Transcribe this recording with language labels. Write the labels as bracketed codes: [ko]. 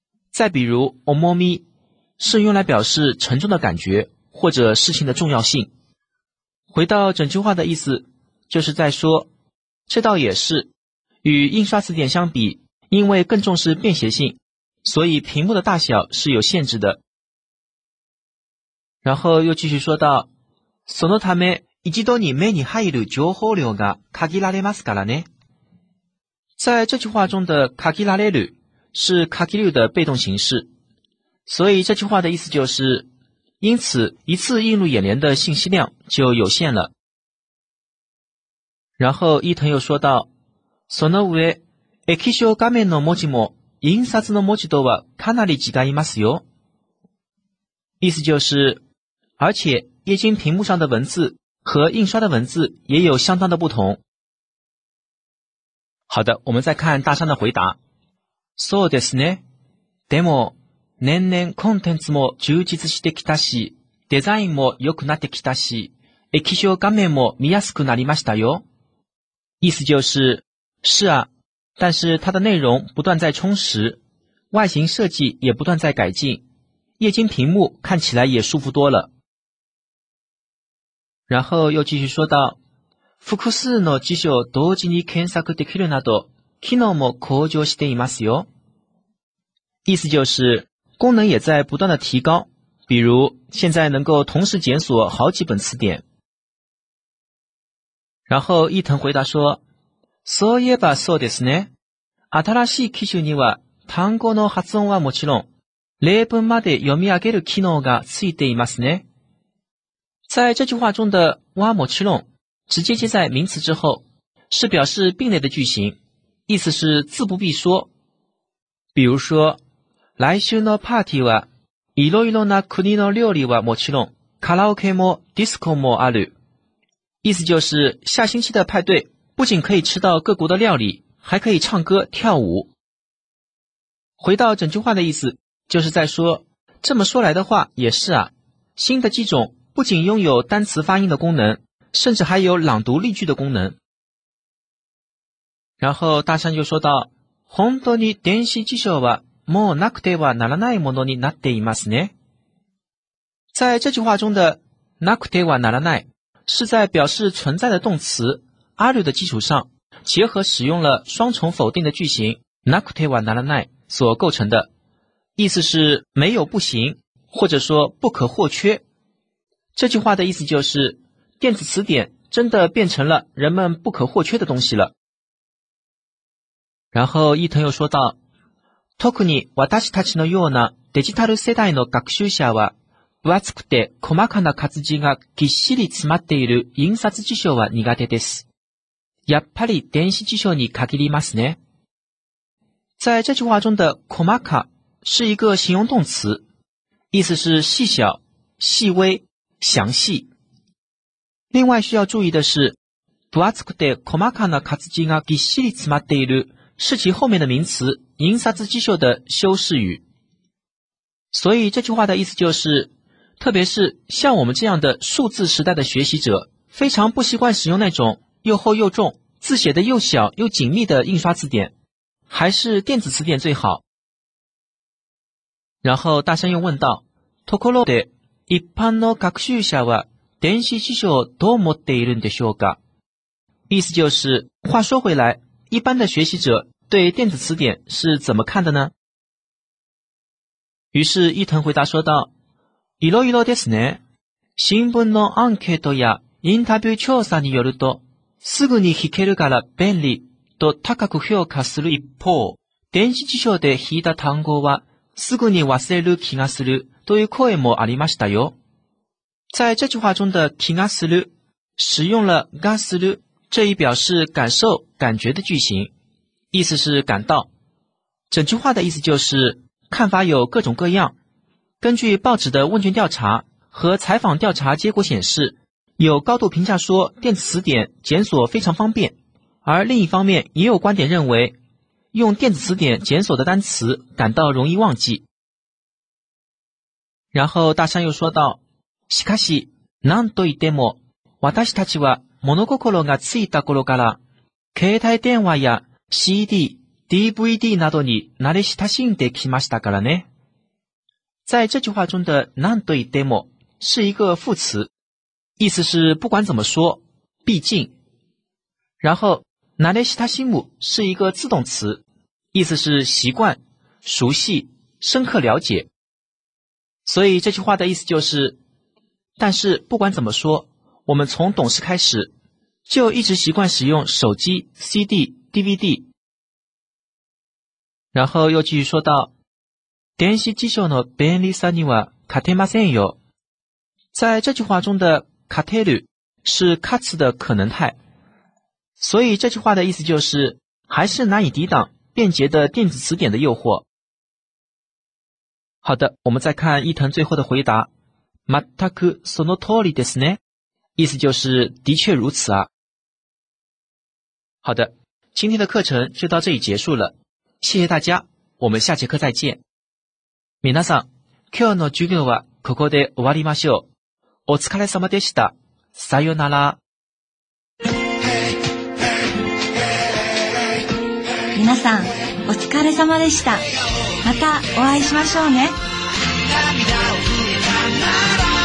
[zh] 再比如 omomi 是用来表示沉重的感觉或者事情的重要性。回到整句话的意思，就是在说这倒也是，与印刷词典相比，因为更重视便携性，所以屏幕的大小是有限制的。然后又继续说到， [ja] そのため一度に目に入る情報量が限られますからね。 [zh] 在这句话中的限られる是限る的被动形式，所以这句话的意思就是，因此一次映入眼帘的信息量就有限了。然后伊藤又说到， [ja] その上液晶画面の文字も印刷の文字とはかなり違いますよ。 [zh] 意思就是，而且液晶屏幕上的文字和印刷的文字也有相当的不同。好的，我们再看大山的回答。 [ja] そうですね。でも年々コンテンツも充実してきたし、デザインも良くなってきたし、液晶画面も見やすくなりましたよ。 [zh] 意思就是，是啊，但是它的内容不断在充实，外形设计也不断在改进，液晶屏幕看起来也舒服多了。然后又继续说道， [ja] 複数の辞書を同時に検索できるなど、機能も向上していますよ。 [zh] 意思就是，功能也在不断的提高，比如现在能够同时检索好几本词典。然后伊藤回答说， [ja] そういえばそうですね。新しい機種には単語の発音はもちろん、例文まで読み上げる機能がついていますね。 [zh] 在这句话中的はもちろん直接接在名词之后，是表示并列的句型，意思是自不必说。比如说， [ja] 来週のパーティーはいろいろな国の料理はもちろん、カラオケもディスコもある。 [zh] 意思就是下星期的派对不仅可以吃到各国的料理，还可以唱歌跳舞。回到整句话的意思，就是在说，这么说来的话也是啊，新的机种不仅拥有单词发音的功能，甚至还有朗读例句的功能。然后大山就说到， [ja] 本当に電子辞書はもうなくてはならないものになっていますね。 [zh] 在这句话中的なくてはならない是在表示存在的动词あるの基础上，结合使用了双重否定的句型なくてはならない所构成的，意思是没有不行，或者说不可或缺。这句话的意思就是，电子词典真的变成了人们不可或缺的东西了。然后伊藤又说道， [ja] 特に私たちのようなデジタル世代の学習者は、分厚くて細かな活字がぎっしり詰まっている印刷辞書は苦手です。やっぱり電子辞書に限りますね。 [zh] 在这句话中的細か是一个形容动词，意思是细小、细微、详细。另外需要注意的是， [ja] 分厚くて細かな活字がぎっしり詰まっている [zh] 是其后面的名词印刷辞書的修饰语。所以这句话的意思就是，特别是像我们这样的数字时代的学习者，非常不习惯使用那种又厚又重、字写的又小又紧密的印刷字典，还是电子词典最好。然后大山又问道， [ja] ところで一般の学習者は電子辞書をどう思っているんでしょうか？ [zh] 意思就是，话说回来，一般的学习者对电子词典是怎么看的呢？于是伊藤回答说道， [ja] いろいろですね。新聞のアンケートやインタビュー調査によると、すぐに引けるから便利と高く評価する一方、電子辞書で引いた単語はすぐに忘れる気がするという声もありましたよ。 [zh] 在这句话中的気がする使用了がする这一表示感受感觉的句型，意思是感到。整句话的意思就是，看法有各种各样，根据报纸的问卷调查和采访调查结果显示，有高度评价说电子词典检索非常方便，而另一方面也有观点认为，用电子词典检索的单词感到容易忘记。然后大山又说道， [ja] しかし何と言っても私たちは物心がついた頃から、携帯電話や CD、DVD などに慣れ親しんできましたからね。 [zh] 在这句话中的何と言っても是一个副词。意思是不管怎么说、毕竟。然后、慣れ親しむ是一个自动词。意思是习惯、熟悉、深刻了解。所以这句话的意思就是、但是不管怎么说、我们从懂事开始、就一直习惯使用手机、CD、DVD。然后又继续说到、 [ja] 電子辞書の便利さには勝てませんよ。 [zh] 在这句话中的勝てる是勝つ的可能态。所以这句话的意思就是、还是难以抵挡便捷的电子词典的诱惑。好的、我们再看伊藤最后的回答。 [ja] 全くその通りですね。 [zh] 意思就是、的确如此啊。好的、今天的课程就到这里结束了。谢谢大家、我们下节课再见。 [ja] 皆さん、今日の授業はここで終わりましょう。お疲れ様でした。さよなら。皆さん、お疲れ様でした。またお会いしましょうね。